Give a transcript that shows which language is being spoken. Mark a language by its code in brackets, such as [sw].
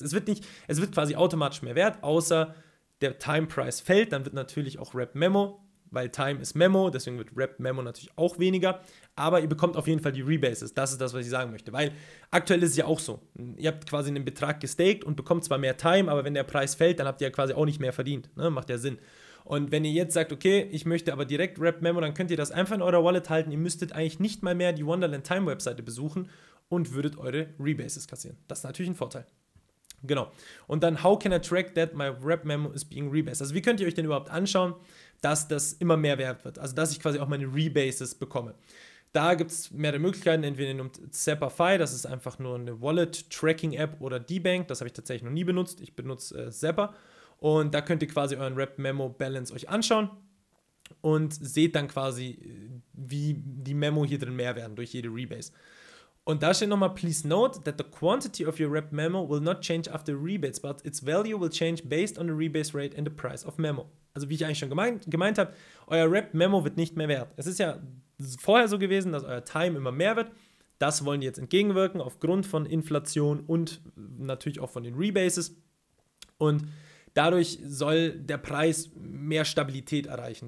[de] Es wird quasi automatisch mehr wert, außer der Time Price fällt, dann wird natürlich auch Wrapped Memo, weil Time ist Memo, deswegen wird Wrapped Memo natürlich auch weniger, aber ihr bekommt auf jeden Fall die Rebases, das ist das, was ich sagen möchte, weil aktuell ist es ja auch so, ihr habt quasi einen Betrag gestaked und bekommt zwar mehr Time, aber wenn der Preis fällt, dann habt ihr ja quasi auch nicht mehr verdient, ne? Macht ja Sinn. Und wenn ihr jetzt sagt, okay, ich möchte aber direkt Wrapped Memo, dann könnt ihr das einfach in eurer Wallet halten, ihr müsstet eigentlich nicht mal mehr die Wonderland Time Webseite besuchen und würdet eure Rebases kassieren, das ist natürlich ein Vorteil. Genau. Und dann, [en] how can I track that my Wrapped Memo is being rebased? [de] Also wie könnt ihr euch denn überhaupt anschauen, dass das immer mehr wert wird? Also dass ich quasi auch meine Rebases bekomme. Da gibt es mehrere Möglichkeiten. Entweder ihr nehmt Zapperfy, das ist einfach nur eine Wallet-Tracking-App oder D-Bank. Das habe ich tatsächlich noch nie benutzt. Ich benutze Zapper. Und da könnt ihr quasi euren Wrapped Memo Balance euch anschauen und seht dann quasi, wie die Memo hier drin mehr werden durch jede Rebase. Und da steht nochmal, [en] please note that the quantity of your Wrapped Memo will not change after rebates, but its value will change based on the rebase rate and the price of Memo. [de] Also wie ich eigentlich schon gemeint habe, euer Wrapped Memo wird nicht mehr wert. Es ist ja vorher so gewesen, dass euer Time immer mehr wird. Das wollen die jetzt entgegenwirken aufgrund von Inflation und natürlich auch von den Rebases. Und dadurch soll der Preis mehr Stabilität erreichen.